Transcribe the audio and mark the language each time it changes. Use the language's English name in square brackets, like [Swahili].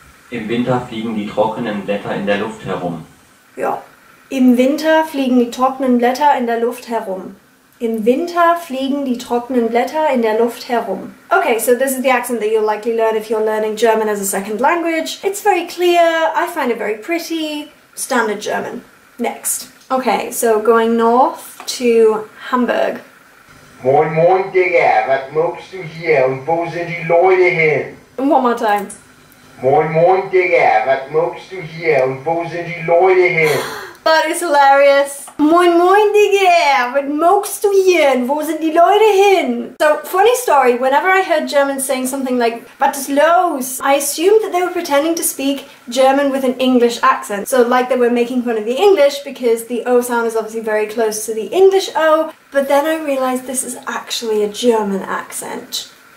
[German] Im Winter fliegen die trockenen Blätter in der Luft herum. Ja. Im Winter fliegen die trockenen Blätter in der Luft herum. Im Winter fliegen die trockenen Blätter in der Luft herum. [English] Okay, so this is the accent that you'll likely learn if you're learning German as a second language. It's very clear, I find it very pretty. Standard German. Next. Okay, so going north to Hamburg. [German] Moin moin, Digga, was machst du hier und wo sind die Leute hin? [English] And one more time. [German] Moin moin, Digga, was machst du hier und wo sind die Leute hin? [English] That is hilarious. [German] Moin moin, Digga, was machst du hier und wo sind die Leute hin? [English] So, funny story, whenever I heard Germans saying something like, [German] was ist los? [English] I assumed that they were pretending to speak German with an English accent. So, like they were making fun of the English because the O sound is obviously very close to the English O. But then I realized this is actually a German accent.